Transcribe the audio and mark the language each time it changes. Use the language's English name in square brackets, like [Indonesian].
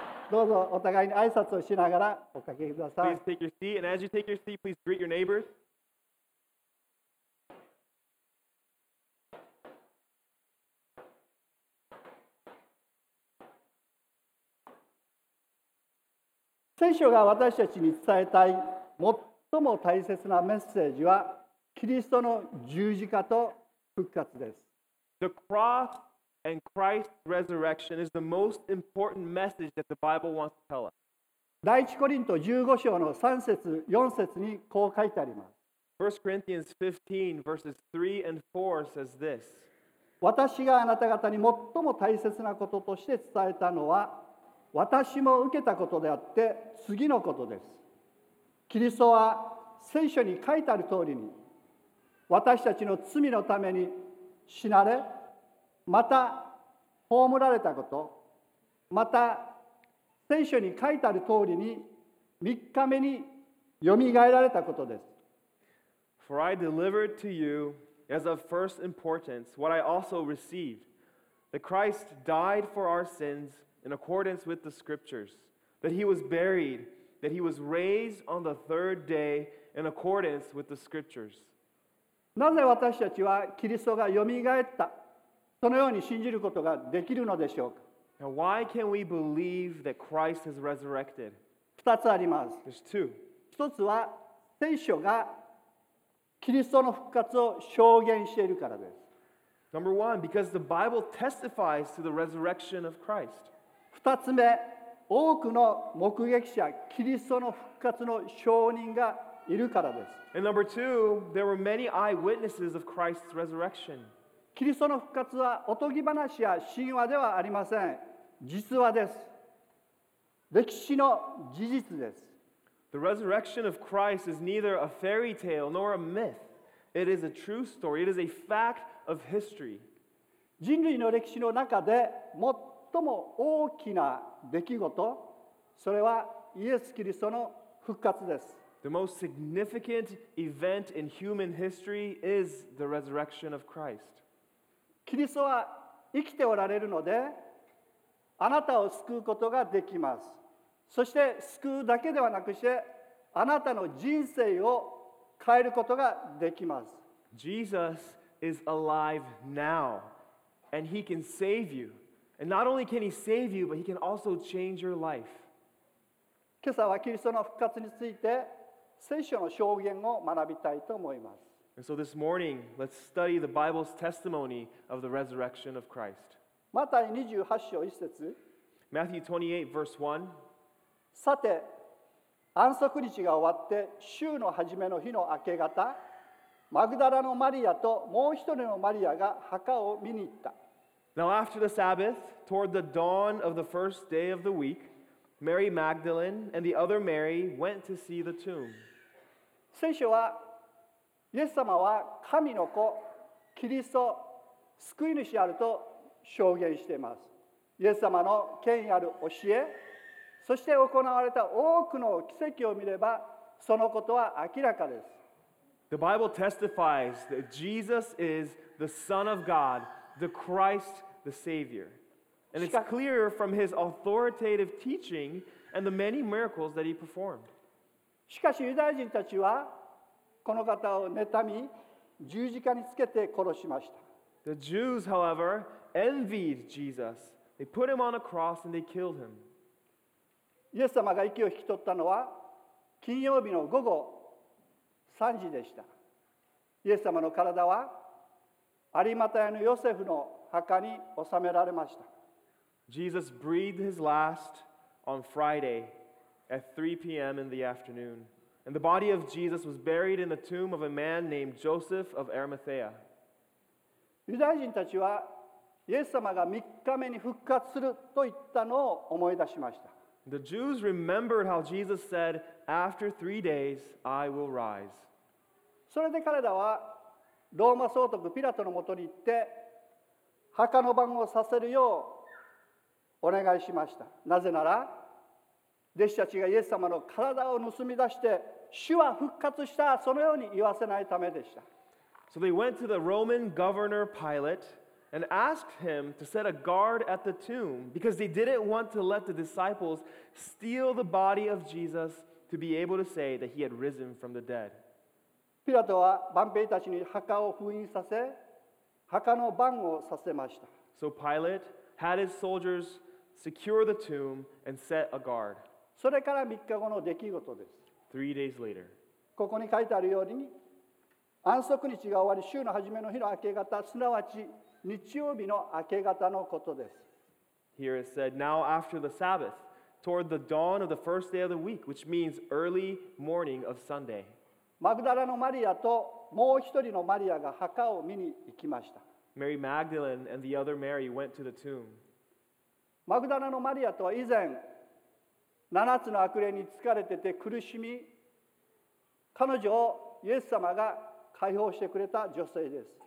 [Japanese] どうぞお互いに挨拶をしながらおかけください。 [English] Please take your seat, and as you take your seat, please greet your neighbors. [Japanese] 聖書が私たちに伝えたい最も大切なメッセージはキリストの十字架と復活です。 [English] The cross and Christ's resurrection is the most important message that the Bible wants to tell us. [Japanese] 第一コリント15章の3節4節にこう書いてあります。 [English] 1 Corinthians 15 verses 3 and 4 says this. [Japanese] 私があなた方に最も大切なこととして伝えたのは私も受けたことであって次のことです。キリストは聖書に書いてある通りに私たちの罪のために死なれ、また葬られたこと、また聖書に書いてある通りに三日目によみがえられたことです。 [English] For I delivered to you as of first importance what I also received, that Christ died for our sins. In accordance with the scriptures, that he was buried, that he was raised on the third day, in accordance with the scriptures. [Japanese] なぜ私たちはキリストがよみがえった、そのように信じることができるのでしょうか。 [English] Now, why can we believe that Christ has resurrected? [Japanese] 二つあります。 [English] There's two. [Japanese] 一つは聖書がキリストの復活を証言しているからです。 [English] Number one, because the Bible testifies to the resurrection of Christ. [Japanese] 二つ目、多くの目撃者、キリストの復活の証人がいるからです。 [English] And number two, there were many eyewitnesses of Christ's resurrection. [Japanese] キリストの復活はおとぎ話や神話ではありません。実話です。歴史の事実です。 [English] The resurrection of Christ is neither a fairy tale nor a myth. It is a true story. It is a fact of history. [Japanese] 人類の歴史の中で最も大きな出来事、それはイエス・キリストの復活です。 [English] The most significant event in human history is the resurrection of Christ. [Japanese] キリストは生きておられるので、あなたを救うことができます。そして救うだけではなくして、あなたの人生を変えることができます。 [English] Jesus is alive now, and he can save you.And not only can he save you, but he can also change your life. [Japanese] 今朝はキリストの復活について聖書の証言を学びたいと思います。 [English] And so this morning, let's study the Bible's testimony of the resurrection of Christ. [Japanese] マタイ28章1節。 [English] Matthew 28, verse 1. [Japanese] さて、安息日が終わって週の初めの日の明け方、マグダラのマリアともう一人のマリアが墓を見に行った。 [English] Now after the Sabbath, toward the dawn of the first day of the week, Mary Magdalene and the other Mary went to see the tomb. [Japanese] 聖書はイエス様は神の子、キリスト、救い主であると証言しています。イエス様の権威ある教え、そして行われた多くの奇跡を見れば、そのことは明らかです。 [English] The Bible testifies that Jesus is the Son of God, the Christ, the Savior. And it's clear from his authoritative teaching and the many miracles that he performed. [Japanese] しかしユダヤ人たちはこの方を妬み、十字架につけて殺しました。 [English] The Jews, however, envied Jesus. They put him on a cross and they killed him. [Japanese] イエス様が息を引き取ったのは金曜日の午後3時でした。イエス様の体はアリマタヤのヨセフの墓に納められました。 [English] Jesus breathed his last on Friday at 3 p.m. in the afternoon. And the body of Jesus was buried in the tomb of a man named Joseph of Arimathea. [Japanese] ユダヤ人たちはイエス様が3日目に復活すると言ったのを思い出しました。 [English] The Jews remembered how Jesus said, After 3 days, I will rise. [Japanese] それで彼らはローマ総督ピラトのもとに行って墓の番をさせるようお願いしました。なぜなら弟子たちがイエス様の体を盗み出して主は復活したそのように言わせないためでした。 [English] So they went to the Roman governor Pilate and asked him to set a guard at the tomb because they didn't want to let the disciples steal the body of Jesus to be able to say that he had risen from the dead. [Japanese] ピラトは万兵たちに墓を封印させ墓の番をさせました。 [English] So Pilate had his soldiers secure the tomb and set a guard. [Japanese] それから3日後の出来事です。 [English] Three days later. [Japanese] ここに書いてあるように、安息日が終わり、週の初めの日の明け方、すなわち日曜日の明け方のことです。 [English] Here it said, now after the Sabbath, toward the dawn of the first day of the week, which means early morning of Sunday. [Japanese] マグダラのマリアともう一人のマリアが墓を見に行きました。 [English] Mary Magdalene and the other Mary went to the tomb. [Japanese] マグダラのマリアとは以前、七つの悪霊に疲れてて苦しみ、彼女をイエス様が解放してくれた女性です。